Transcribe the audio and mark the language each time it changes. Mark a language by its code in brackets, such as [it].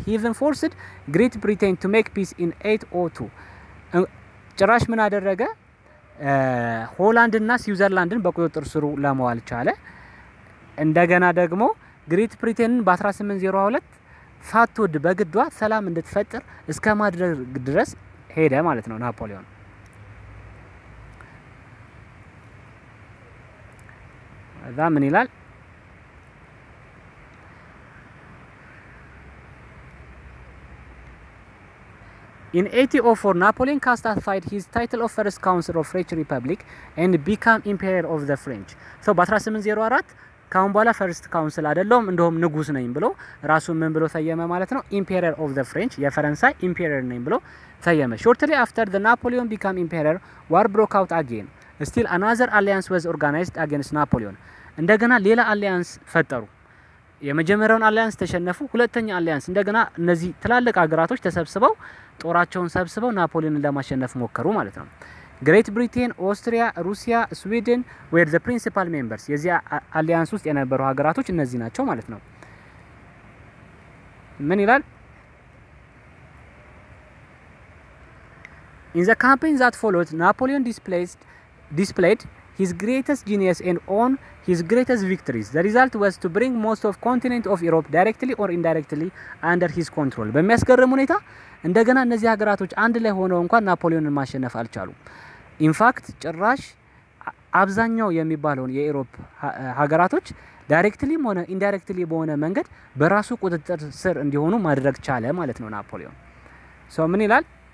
[en] He even forced Great Britain to make peace in 802. [am] ጭራሽ ምን አደረገ? ሆላንድና ስዊዘርላንድን በቁጥጥር ስሩ ለማዋል ቻለ። እንደገና ደግሞ ግሪት ብሪቴንን በ1802 ፋቶድ በግዷ ሰላም እንድትፈጥር እስከ ማድረግ ድረስ ሄደ ማለት ነው ናፖሊዮን። እዛ ምን ይላል? [en] In 804, Napoleon cast aside his title of first consul of French Republic and became Emperor of the French. [am] So, በ1804 ካሁን በኋላ first consul አይደለም እንደውም ንጉስ ነኝ ብሎ ራሱን ምን ብሎ ሰየመ ማለት ነው? [en] Emperor of the French, [am] የፈረንሳይ Emperor ነኝ ብሎ ሰየመ። [en] Shortly after the Napoleon became Emperor, war broke out again. Still another alliance was organized against Napoleon. [am] እንደገና ሌላ አሊያንስ ፈጠሩ። የመጀመሪያውን አሊያንስ ተሸነፉ። ሁለተኛ አሊያንስ እንደገና እነዚህ ተላልቀ ሀገራቶች ተሰብስበው ጦራቸውን ሰብስበው ናፖሊዮንን ለማሸነፍ ሞከሩ ማለት ነው። ግሬት ብሪቴን፣ ኦስትሪያ፣ ሩሲያ፣ ስዊድን [en] were the principal members. [am] የዚህ አሊያንስ ውስጥ የነበሩ ሀገራቶች እነዚህ ናቸው ማለት ነው። ምን ይላል? [en] In the campaign that followed, Napoleon displayed his greatest genius and on his greatest victories. The result was to bring most of continent of Europe directly or indirectly under his control. [am] በሚያስገርም ሁኔታ እንደገና እነዚህ ሀገራቶች አንድ ላይ ሆነው እንኳን ናፖሊዮንን ማሸነፍ አልቻሉ። [en] In fact, [am] ጭራሽ አብዛኛው የሚባለውን የአውሮፓ ሀገራቶች directly ሆነ indirectly በሆነ መንገድ በራሱ ቁጥጥር ስር እንዲሆኑ ማድረግ ቻለ ማለት ነው ናፖሊዮን። So ምን ይላል?